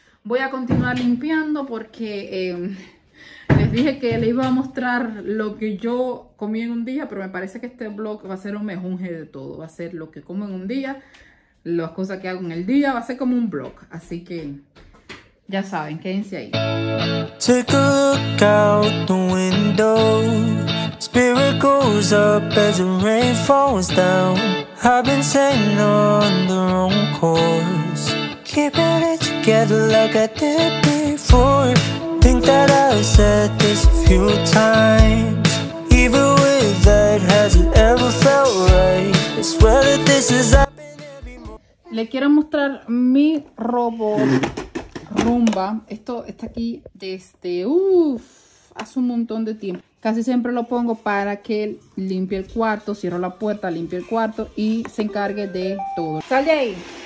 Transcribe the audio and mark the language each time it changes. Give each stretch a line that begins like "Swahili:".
Spanish: Voy a continuar limpiando porque les dije que les iba a mostrar lo que yo comí en un día, pero me parece que este vlog va a ser un mejunje de todo. Va a ser lo que como en un día, las cosas que hago en el día, va a ser como un vlog. Así que ya saben, quédense ahí.
English: Take a look out the window. Spirit goes up as the rain falls down. I've been sailing on the wrong course. Keeping it together like I did before. Think that I've said this a few times. Even with that, has it ever felt right? I swear that this is happening every moment.
Spanish: Le quiero mostrar mi robot Rumba. Esto está aquí desde hace un montón de tiempo. Casi siempre lo pongo para que limpie el cuarto, cierro la puerta, limpie el cuarto y se encargue de todo. ¡Sal de ahí!